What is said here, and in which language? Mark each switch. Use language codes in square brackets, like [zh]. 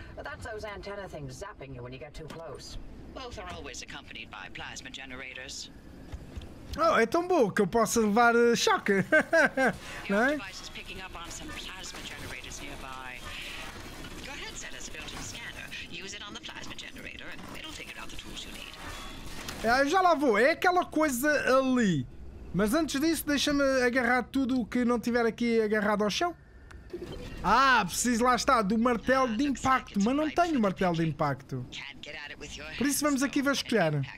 [en] That's those antenna things zapping you when you get too close. Both are always accompanied by plasma generators. [pt] Oh, é tão bom que eu posso levar choque. [en] Your device is picking up on some plasma generators nearby. Your headset has a built-in scanner. Use it on the plasma generator and it'll figure out the tools you need. [pt] Já lá vou. É aquela coisa ali. Mas antes disso, deixa-me agarrar tudo o que não tiver aqui agarrado ao chão. Ah, preciso, lá está, do martelo de impacto. Mas não tenho martelo de impacto. Por isso vamos aqui vasculhar.